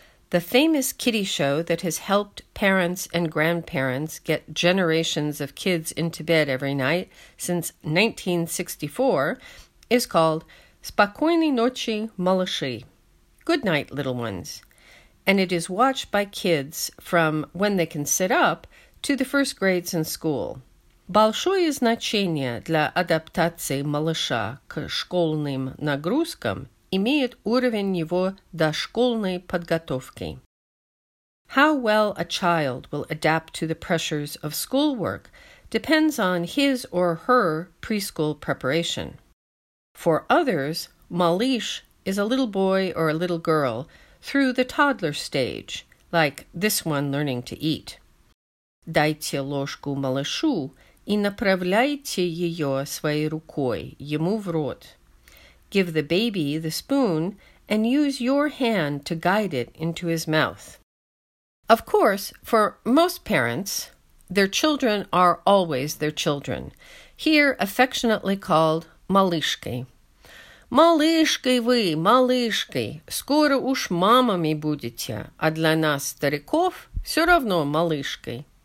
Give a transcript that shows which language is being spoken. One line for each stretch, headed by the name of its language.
English: The famous kiddie show that has helped parents and grandparents get generations of kids into bed every night since 1964 is called Spokojnoj Nochi, Malishi, Good Night, Little Ones, and it is watched by kids from when they can sit up to the first grades in school.
Russian: Большое значение для адаптации малыша к школьным нагрузкам имеет уровень его дошкольной подготовки.
English: How well a child will adapt to the pressures of schoolwork depends on his or her preschool preparation. For others, малыш is a little boy or a little girl through the toddler stage, like this one learning to eat.
Russian: Дайте ложку малышу и направляйте ее своей рукой ему в рот.
English: Give the baby the spoon and use your hand to guide it into his mouth. Of course, for most parents, their children are always their children, here affectionately called малышки.
Russian: Малышки вы, малышки, скоро уж мамами будете, а для нас, стариков, все равно малышки.